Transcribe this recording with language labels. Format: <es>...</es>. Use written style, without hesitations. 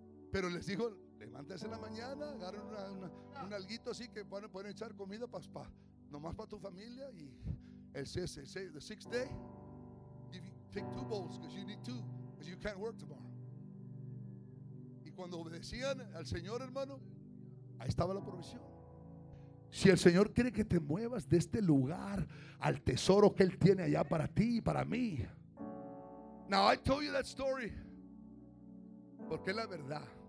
<es>Pero les dijo, levántese en la mañana, agarren un alguito así que pueden echar comida nomás para tu familia.</es> <en>Y the sixth day, take two bowls because you need two because you can't work tomorrow.</en> <es>Y cuando obedecían al Señor, hermano, ahí estaba la provisión. Si el Señor quiere que te muevas de este lugar al tesoro que Él tiene allá para ti y para mí.</es> <en>Now I told you that story</en> <es>porque es la verdad.</es>